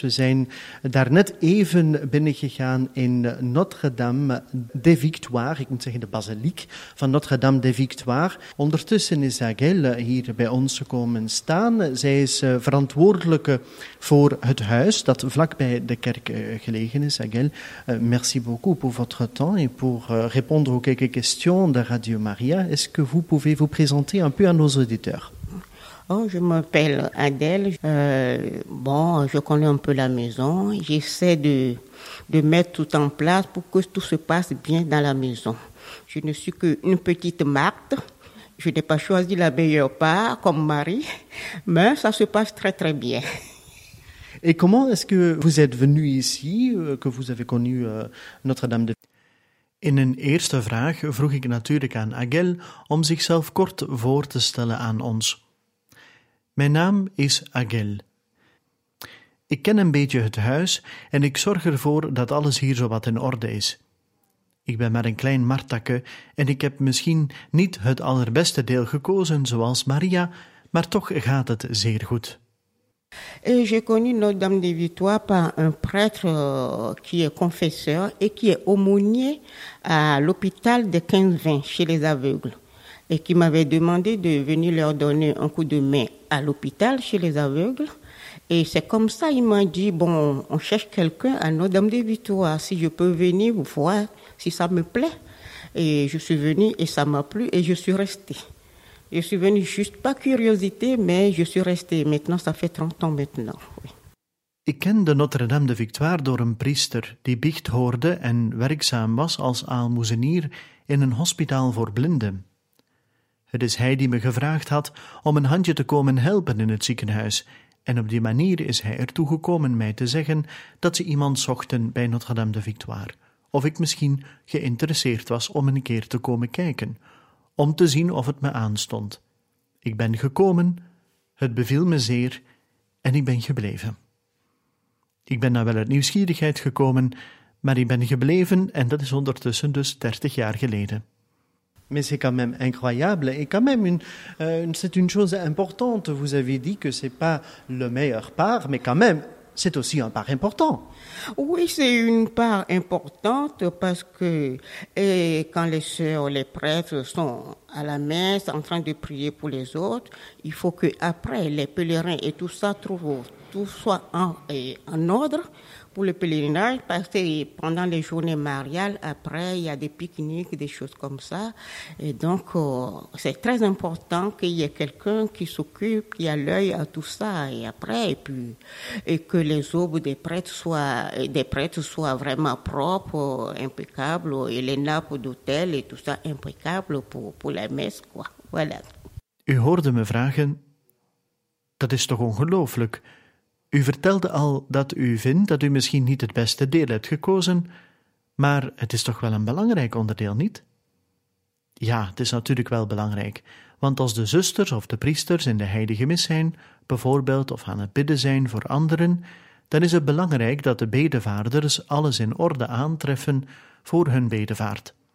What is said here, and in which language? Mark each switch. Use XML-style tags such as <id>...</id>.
<nl>We zijn daar net even binnengegaan in Notre-Dame des Victoires, ik moet zeggen de basiliek van Notre-Dame des Victoires. Ondertussen is Agelle hier bij ons komen staan. Zij is verantwoordelijke voor het huis dat vlakbij de kerk gelegen is.</nl> <fr>Agelle, merci beaucoup pour votre temps et pour répondre aux quelques questions de Radio Maria. Est-ce que vous pouvez vous présenter un peu à nos auditeurs? Oh, je m'appelle Adèle. Je connais un peu la maison. J'essaie de mettre tout en place pour que tout se passe bien dans la maison. Je ne suis qu'une petite marthe. Je n'ai pas choisi la meilleure part comme mari, mais ça se passe très très bien. Et comment est-ce que vous êtes venue ici, que vous avez connu Notre-Dame de</fr> <nl>In een eerste vraag vroeg ik natuurlijk aan Agelle om zichzelf kort voor te stellen aan ons. Mijn naam is Agelle. Ik ken een beetje het huis en ik zorg ervoor dat alles hier zowat in orde is. Ik ben maar een klein martakke en ik heb misschien niet het allerbeste deel gekozen zoals Maria, maar toch gaat het zeer goed.</nl> <fr>Et j'ai connu Notre-Dame des Victoires par un prêtre qui est confesseur et qui est aumônier à l'hôpital de 15-20 chez les aveugles et qui m'avait demandé de venir leur donner un coup de main à l'hôpital chez les aveugles. Et c'est comme ça qu'il m'a dit, bon, on cherche quelqu'un à Notre-Dame des Victoires, si je peux venir voir si ça me plaît. Et je suis venue et ça m'a plu et je suis restée. Je suis venue juste par curiosité, mais je suis restée. Maintenant, ça fait 30 ans maintenant. Oui.</fr> <nl>Ik kende Notre-Dame de Victoire door een priester die biecht hoorde en werkzaam was als aalmoezenier in een hospitaal voor blinden. Het is hij die me gevraagd had om een handje te komen helpen in het ziekenhuis, en op die manier is hij ertoe gekomen mij te zeggen dat ze iemand zochten bij Notre-Dame de Victoire, of ik misschien geïnteresseerd was om een keer te komen kijken, om te zien of het me aanstond. Ik ben gekomen, het beviel me zeer, en ik ben gebleven. Ik ben nou wel uit nieuwsgierigheid gekomen, maar ik ben gebleven en dat is ondertussen dus 30 jaar geleden.</nl> <fr>Mais c'est quand même incroyable et quand même c'est une chose importante. Vous avez dit que c'est pas le meilleur part, mais quand même c'est aussi un part important. Oui, c'est une part importante parce que et quand les sœurs, les prêtres sont à la messe en train de prier pour les autres, il faut que après les pèlerins et tout ça trouvent. Tout soit en ordre pour le pèlerinage, parce que pendant les journées mariales, après, il y a des pique-niques, des choses comme ça. Et donc, c'est très important qu'il y ait quelqu'un qui s'occupe, qui a l'œil à tout ça, et après, et que les aubes des prêtres soient vraiment propres, impeccables, et les nappes d'hôtel et tout ça, impeccables pour la messe, quoi. Voilà.</fr> <nl>U hoorde me vragen, dat is toch ongelooflijk? U vertelde al dat u vindt dat u misschien niet het beste deel hebt gekozen, maar het is toch wel een belangrijk onderdeel, niet? Ja, het is natuurlijk wel belangrijk, want als de zusters of de priesters in de heilige mis zijn, bijvoorbeeld of aan het bidden zijn voor anderen, dan is het belangrijk dat de bedevaarders alles in orde aantreffen voor hun bedevaart.</nl>